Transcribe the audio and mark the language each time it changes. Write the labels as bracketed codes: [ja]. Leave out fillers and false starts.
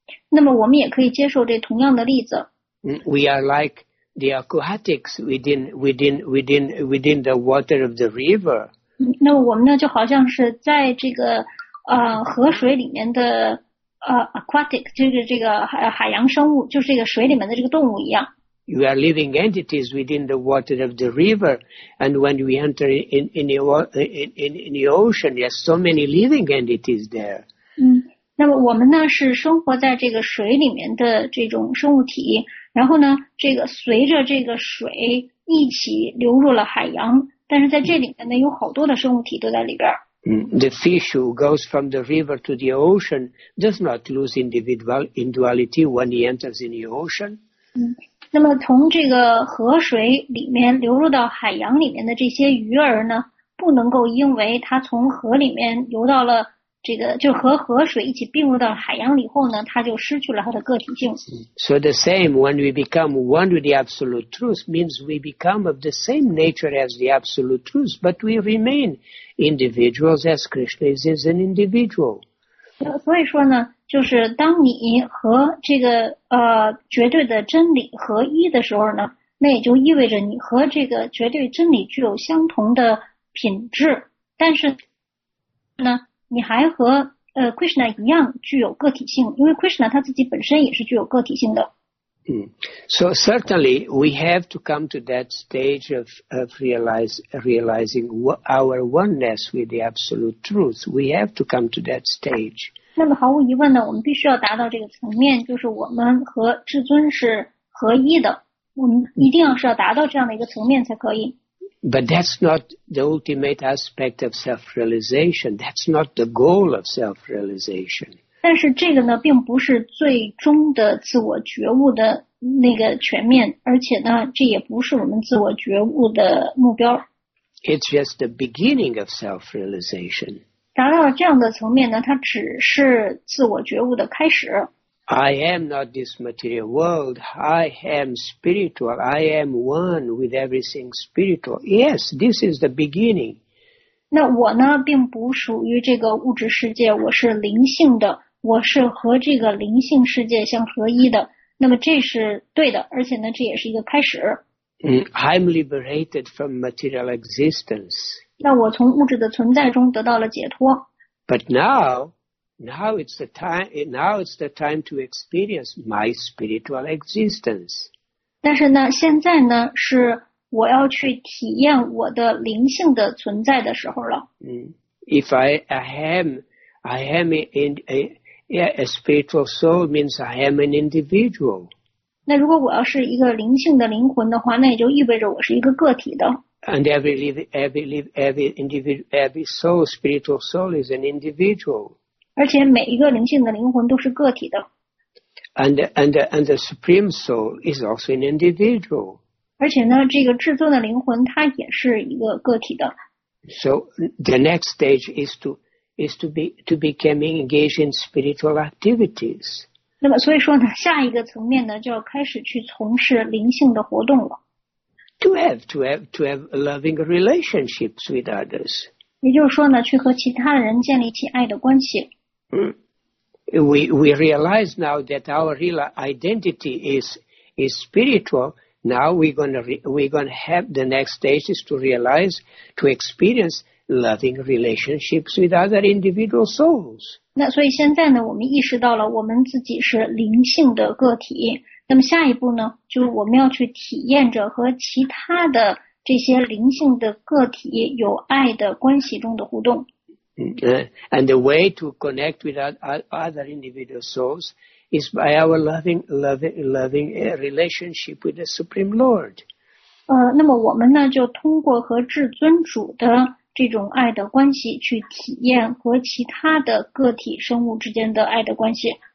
[zh] 那么我们也可以接受这同样的例子。 [en] We are like the aquatics within the water of the river. [zh] 那么我们呢就好像是在这个河水里面的aquatic 就是这个海洋生物，就是这个水里面的这个动物一样。 [en] You are living entities within the water of the river, and when we enter in the ocean, there are so many living entities there. [zh] 那么我们呢是生活在这个水里面的这种生物体，然后呢这个随着这个水一起流入了海洋，但是在这里面呢有好多的生物体都在里边。 [en] The fish who goes from the river to the ocean does not lose individuality when he enters in the ocean. [zh] 那么从这个河水里面流入到海洋里面的这些鱼儿呢，不能够因为它从河里面流到了这个，就和河水一起并入到海洋里后呢，它就失去了它的个体性。 [en] So the same, when we become one with the absolute truth, means we become of the same nature as the absolute truth, but we remain. Individuals as Krishna is an individual. [zh] 所以说呢，就是当你和这个绝对的真理合一的时候呢，那也就意味着你和这个绝对真理具有相同的品质。但是呢，你还和Krishna 一样具有个体性，因为 Krishna 他自己本身也是具有个体性的。 [en] So certainly we have to come to that stage of realizing our oneness with the absolute truth. We have to come to that stage. [zh] 那么毫无疑问呢，我们必须要达到这个层面，就是我们和至尊是合一的。我们一定要是要达到这样的一个层面才可以。 [en] But that's not the ultimate aspect of self-realization. That's not the goal of self-realization. [zh] 但是这个呢并不是最终的自我觉悟的那个全面，而且呢这也不是我们自我觉悟的目标。 [en] It's just the beginning of self-realization. [zh] 达到这样的层面呢，它只是自我觉悟的开始。 [en] I am not this material world. I am spiritual. I am one with everything spiritual. Yes, this is the beginning. [zh] 那我呢并不属于这个物质世界，我是灵性的。我是和这个灵性世界相合一的，那么这是对的，而且呢，这也是一个开始。 [en] I'm liberated from material existence. [zh] 那我从物质的存在中得到了解脱。 [en] But now it's the time to experience my spiritual existence. [zh] 但是呢，现在呢，是我要去体验我的灵性的存在的时候了。 [en] 嗯 ，If I am a spiritual soul means I am an individual。 [zh] 那如果我要是一个灵性的灵魂的话，那也就意味着我是一个个体的。 [en] And every soul, spiritual soul is an individual。 [zh] 而且每一个灵性的灵魂都是个体的。 [en] And the supreme soul is also an individual。 [zh] 而且呢，这个至尊的灵魂它也是一个个体的。 [en] So the next stage is to become engaged in spiritual activities。 [zh] 那么所以说呢，下一个层面呢，就要开始去从事灵性的活动了。 [en] To have loving relationships with others。 [zh] 也就是说呢，去和其他人建立起爱的关系。 [en] We realize now that our real identity is spiritual. Now we're gonna have the next stage is to realize, to experience loving relationships with other individual souls. [zh] 那所以现在呢，我们意识到了我们自己是灵性的个体。那么下一步呢，就是我们要去体验着和其他的这些灵性的个体有爱的关系中的互动。 [en] And the way to connect with other individual souls is by our loving relationship with the Supreme Lord. [zh] 那么我们呢，就通过和至尊主的这种爱的关系，去体验和其他的个体生物之间的爱的关系。